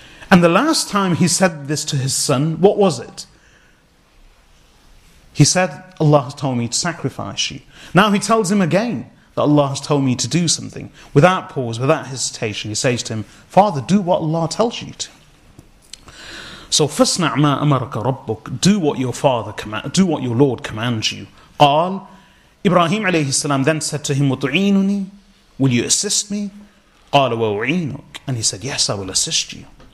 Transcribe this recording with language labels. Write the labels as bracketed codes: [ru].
[en] And the last time he said this to his son, what was it? He said, Allah has told me to sacrifice you. Now he tells him again that Allah has told me to do something. Without pause, without hesitation, he says to him, Father, do what Allah tells you to. [ar] So, فَاسْنَعْ مَا أَمَرَكَ رَبُّكَ. [en] Do what your father command, do what your Lord commands you. [ar] قال, [en] Ibrahim alayhi salam then said to him, [ar] وَتُعِينُنِي. [en] Will you assist me? [ar] قَالَ وَأُعِينُكَ. [en] And he said, yes, I will assist you.